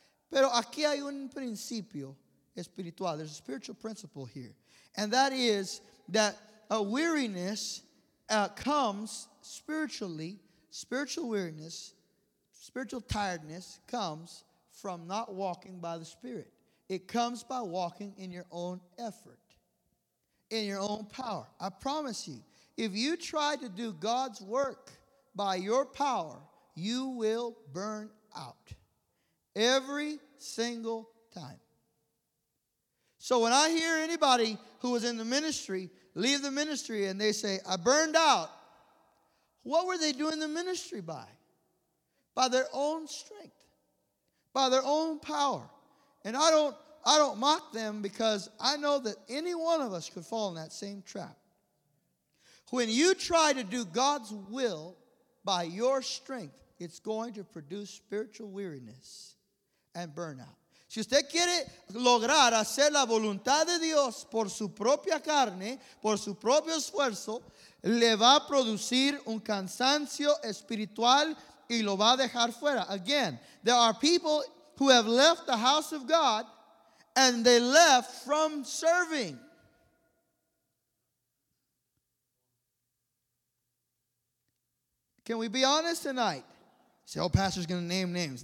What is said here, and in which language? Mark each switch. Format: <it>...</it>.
<es>Pero aquí hay un principio espiritual.</es> <en>There's a spiritual principle here. And that is that a weariness comes spiritually. Spiritual weariness, spiritual tiredness comes from not walking by the Spirit. It comes by walking in your own effort, in your own power. I promise you, if you try to do God's work by your power, you will burn out every single time. So when I hear anybody who was in the ministry leave the ministry and they say, I burned out, What were they doing the ministry by? By their own strength. By their own power. And I don't mock them, because I know that any one of us could fall in that same trap. When you try to do God's will by your strength, it's going to produce spiritual weariness and burnout.</en> <es>Si usted quiere lograr hacer la voluntad de Dios por su propia carne, por su propio esfuerzo, le va a producir un cansancio espiritual y lo va a dejar fuera.</es> <en>Again, there are people who have left the house of God and they left from serving. Can we be honest tonight? Say, oh, pastor's going to name names.</en>